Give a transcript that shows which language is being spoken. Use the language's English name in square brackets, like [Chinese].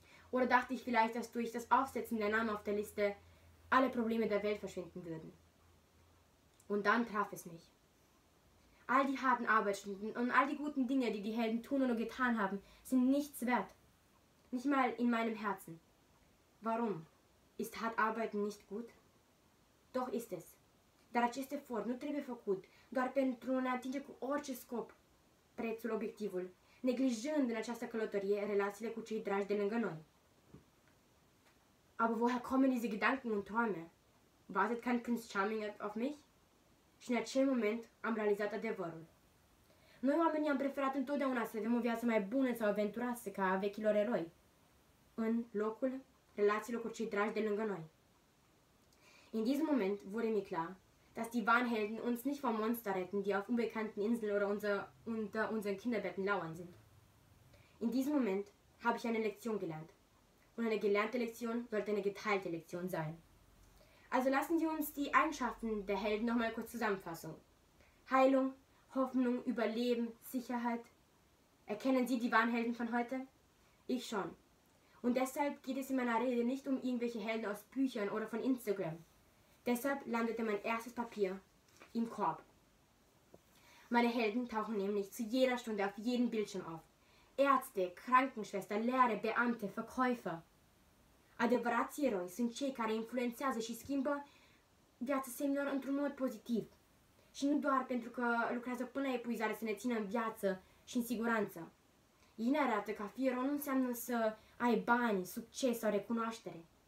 [German] Oder dachte ich vielleicht, dass durch das Aufsetzen der Namen auf der Liste alle Probleme der Welt verschwinden würden. Und dann traf es mich. All die harten Arbeitsstunden und all die guten Dinge, die die Helden tun oder getan haben, sind nichts wert. Nicht mal in meinem Herzen. Warum? Ist hart arbeiten nicht gut? Doch ist es. [Romanian] Dar acest efort nu trebuie făcut doar pentru a ne atinge cu orice scop prețul, obiectivul, neglijând în această călătorie relațiile cu cei dragi de lângă noi. [German] Aber woher kommen diese Gedanken und Träume? Wartet kein Prinz Charming auf mich? [Romanian] Și în acel moment am realizat adevărul. Noi oamenii am preferat întotdeauna să avem o viață mai bună sau aventuroasă ca a vechilor eroi, în locul relațiilor cu cei dragi de lângă noi. [German] In diesem Moment wurde mir klar, dass die wahren Helden uns nicht vor Monster retten, die auf unbekannten Inseln oder unter unseren Kinderbetten lauern sind. In diesem Moment habe ich eine Lektion gelernt. Und eine gelernte Lektion sollte eine geteilte Lektion sein. Also lassen Sie uns die Eigenschaften der Helden nochmal kurz zusammenfassen. Heilung, Hoffnung, Überleben, Sicherheit. Erkennen Sie die wahren Helden von heute? Ich schon. Und deshalb geht es in meiner Rede nicht um irgendwelche Helden aus Büchern oder von Instagram. Deshalb landete mein erstes Papier im Korb. Meine Helden tauchen nämlich zu jeder Stunde auf jedem Bildschirm auf. Ärzte, Krankenschwestern, Lehrer, Beamte, Verkäufer. [Romanian] Adevărații sunt cei care influențează și schimbă viața semilor într-un mod pozitiv. Și nu doar pentru că lucrează până la epuizare să ne țină în viață și în siguranță. Ei ne arată că a fi erou nu înseamnă să ai bani, succes sau recunoaștere.